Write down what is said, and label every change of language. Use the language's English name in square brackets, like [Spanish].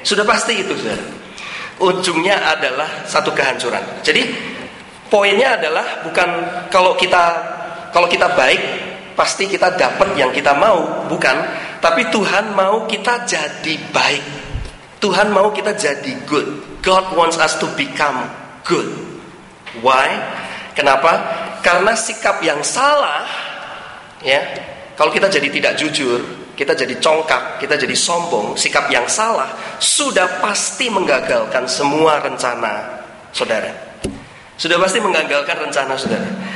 [Indonesian] Sudah pasti itu, Saudara. Ujungnya adalah satu kehancuran. Jadi poinnya adalah bukan kalau kita baik pasti kita dapat yang kita mau, bukan, tapi Tuhan mau kita jadi baik. Tuhan mau kita jadi good. [English] God wants us to become good. Why? [Indonesian] Kenapa? Karena sikap yang salah, ya. Kalau kita jadi tidak jujur, kita jadi congkak, kita jadi sombong, sikap yang salah sudah pasti menggagalkan semua rencana Saudara. Sudah pasti menggagalkan rencana Saudara.